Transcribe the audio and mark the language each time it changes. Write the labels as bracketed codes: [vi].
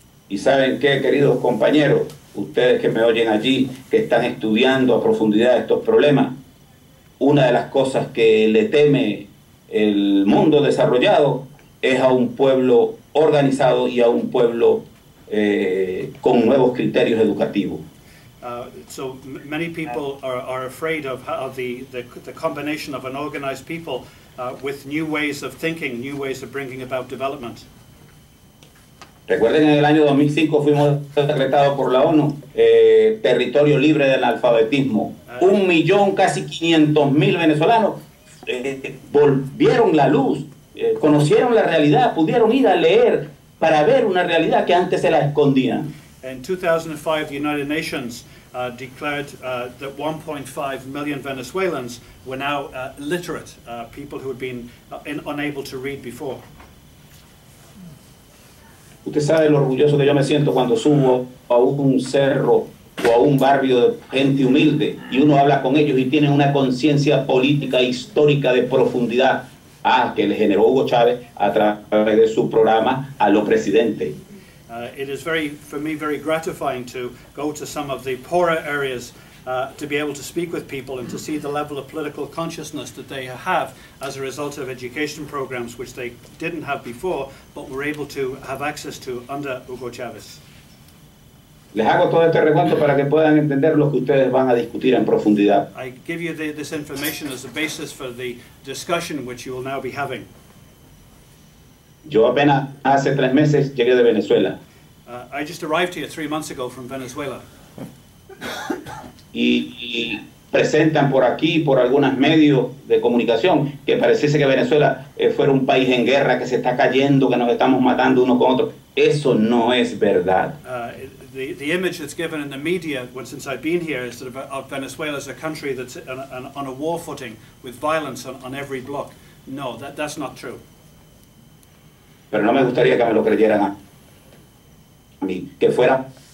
[es] ¿Y saben qué, queridos compañeros? Ustedes que me oyen allí, que están estudiando a profundidad estos problemas, una de las cosas que le teme el mundo desarrollado es a un pueblo organizado y a un pueblo con nuevos criterios educativos. [en] So many people are afraid of the combination of an organized people with new ways of thinking, new ways of bringing about development. [es] Recuerden, en el año 2005 fuimos decretados por la ONU territorio libre del analfabetismo. 1,000,000, casi 500,000 venezolanos volvieron la luz, conocieron la realidad, pudieron ir a leer para ver una realidad que antes se la escondían. [en] In 2005, the United Nations declared that 1.5 million Venezuelans were now literate, people who had been unable to read before. [es] Usted sabe lo orgulloso que yo me siento cuando subo a un cerro o a un barrio de gente humilde y uno habla con ellos y tienen una conciencia política histórica de profundidad que le generó Hugo Chávez a través de su programa a los presidentes. [en] It is very, for me, very gratifying to go to some of the poorer areas to be able to speak with people and to see the level of political consciousness that they have as a result of education programs which they didn't have before but were able to have access to under Hugo Chávez. [es] Les hago todo este recuento para que puedan entender lo que ustedes van a discutir en profundidad. [en] I give you this information as a basis for the discussion which you will now be having. [es] Yo apenas hace tres meses llegué de Venezuela. [en] I just arrived here 3 months ago from Venezuela. [es] y presentan por aquí, por algunos medios de comunicación, que pareciese que Venezuela fuera un país en guerra, que se está cayendo, que nos estamos matando uno con otro. Eso no es verdad. [en] The image that's given in the media since I've been here is that of Venezuela as a country that's on a war footing with violence on every block. No, that's not true. [es] Pero no me gustaría que me lo creyeran a mí, que fuera.